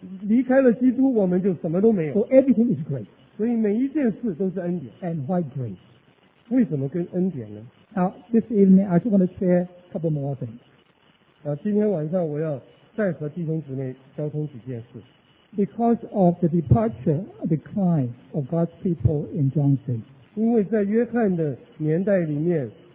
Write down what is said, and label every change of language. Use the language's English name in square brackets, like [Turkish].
[Chinese] 离开了基督，我们就什么都没有。 [English] So everything is grace. [Chinese] 所以每一件事都是恩典。 [English] And why grace? [Chinese] 为什么跟恩典呢？ [English] Now this evening, I just want to share a couple more things. [Chinese] 今天晚上我要再和弟兄姊妹交通几件事。 [English] Because of the departure, decline of God's people in John 6. [Chinese] 因为在约翰的年代里面。